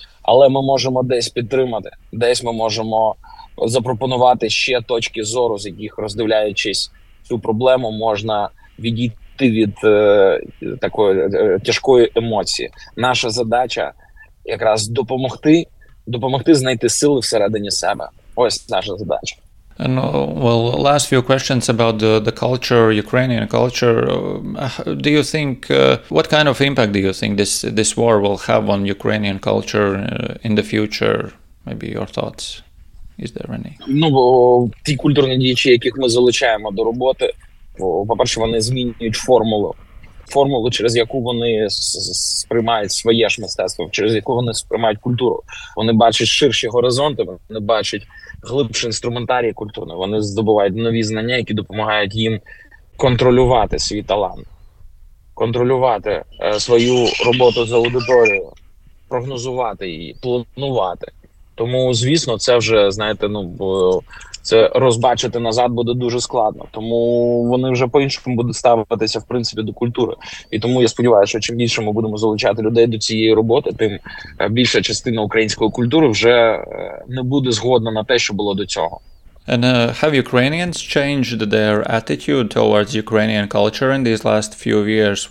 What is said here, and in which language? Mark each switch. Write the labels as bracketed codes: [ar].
[uk] Але ми можемо десь підтримати, десь ми можемо запропонувати ще точки зору, з яких, роздивляючись цю проблему, можна відійти від такої тяжкої емоції. Наша задача якраз допомогти знайти сили всередині себе. Ось наша задача. [en] And, well, last few questions about the culture, Ukrainian culture. Do you think, what kind of impact do you think this war will have on Ukrainian culture in the future? Maybe your thoughts, is there any? [uk] Ну, ті культурні діячі, яких ми залучаємо до роботи, по-перше, вони змінюють формулу, через яку вони сприймають своє ж мистецтво, через яку вони сприймають культуру. Вони бачать ширші горизонти, вони бачать глибше інструментарій культурний. Вони здобувають нові знання, які допомагають їм контролювати свій талант, контролювати свою роботу за аудиторією, прогнозувати її, планувати. Тому, звісно, це вже, знаєте, ну, це розбачити назад буде дуже складно. Тому вони вже по-іншому будуть ставитися, в принципі, до культури. І тому я сподіваюся, що чим більше ми будемо залучати людей до цієї роботи, тим більша частина української культури вже не буде згодна на те, що було до цього. [en] And have Ukrainians changed their attitude towards Ukrainian culture in these last few years?